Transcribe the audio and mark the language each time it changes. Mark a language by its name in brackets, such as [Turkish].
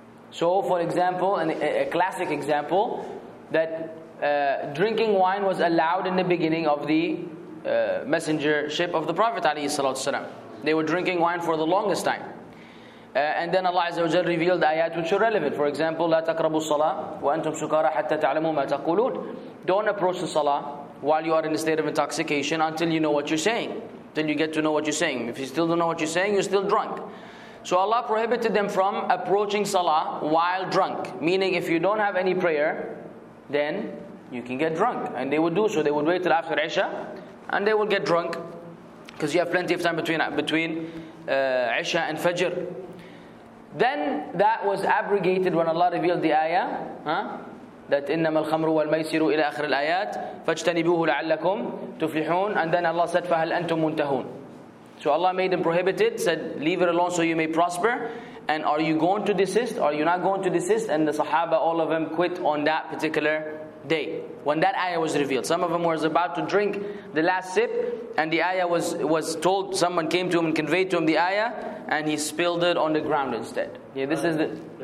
[English] So for example, a classic example, that drinking wine was allowed in the beginning of the messengership of the Prophet ﷺ. They were drinking wine for the longest time. And then Allah Azza wa Jalla revealed ayat which are relevant. For example, [Arabic] لا تقربوا الصلاة وأنتم سكارى حتى تعلموا ما تقولون. [English] Don't approach the salah while you are in a state of intoxication until you know what you're saying. Then you get to know what you're saying. If you still don't know what you're saying, you're still drunk. So Allah prohibited them from approaching salah while drunk. Meaning if you don't have any prayer, then you can get drunk. And they would do so. They would wait till after Isha and they would get drunk because you have plenty of time between Isha and Fajr. Then that was abrogated when Allah revealed the ayah. That [Arabic] إنما الخمر والميسر إلى آخر الآيات فاجتنبوه لعلكم تفلحون. [English] And then Allah said [Arabic] فهل أنتم منتهون. [English] So Allah made them prohibited, said leave it alone so you may prosper. And are you going to desist? Are you not going to desist? And the Sahaba, all of them quit on that particular day when that ayah was revealed. Some of them was about to drink the last sip and the ayah was told, someone came to him and conveyed to him the ayah and he spilled it on the ground instead. Yeah, this is the...